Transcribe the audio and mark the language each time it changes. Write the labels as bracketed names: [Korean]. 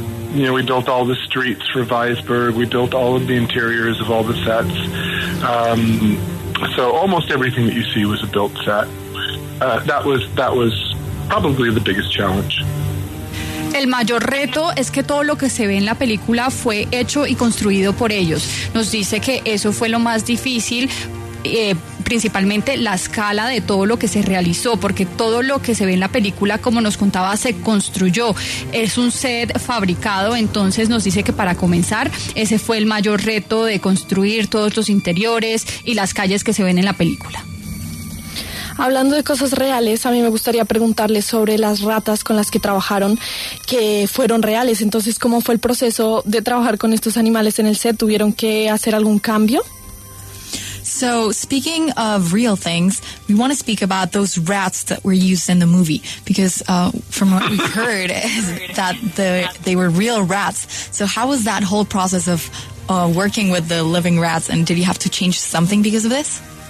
[English] We built all the streets for Weisberg. We built all of the interiors of all the sets. So almost everything that you see was a built set. That was probably the biggest challenge. [Spanish] El mayor reto es que todo lo que se ve en la película fue hecho y construido por ellos. Nos dice que eso fue lo más difícil. Principalmente la escala de todo lo que se realizó, porque todo lo que se ve en la película, como nos contaba, se construyó, es un set fabricado. Entonces nos dice que para comenzar ese fue el mayor reto, de construir todos los interiores y las calles que se ven en la película. Hablando de cosas reales, a mí me gustaría preguntarle sobre las ratas con las que trabajaron, que fueron reales. Entonces, ¿cómo fue el proceso de trabajar con estos animales en el set? ¿Tuvieron que hacer algún cambio? [English] So, speaking of real things, we want to speak about those rats that were used in the movie, because from what we've heard is that they were real rats. So how was that whole process of working with the living rats, and did you have to change something because of this?